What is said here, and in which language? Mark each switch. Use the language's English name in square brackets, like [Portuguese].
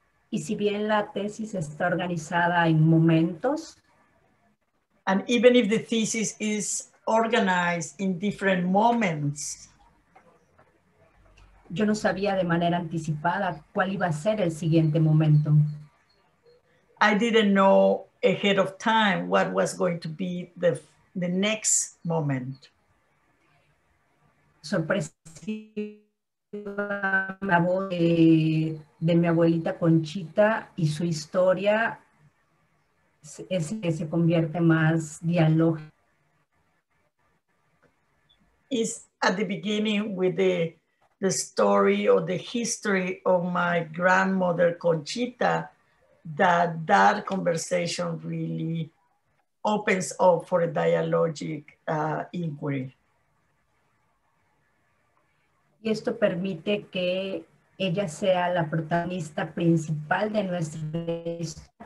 [Spanish] Y si bien la tesis está organizada en momentos, [English] and even if the thesis is organized in different moments, [Spanish] yo no sabía de manera anticipada cuál iba a ser el siguiente momento. [English] I didn't know ahead of time what was going to be the next moment. [Spanish] Sorpresiva, la voz de mi abuelita Conchita y su historia es que se convierte más dialógica. [English] Is at the beginning with the story or the history of my grandmother Conchita, that conversation really opens up for a dialogic inquiry. [Spanish] Y esto permite que ella sea la protagonista principal de nuestra historia.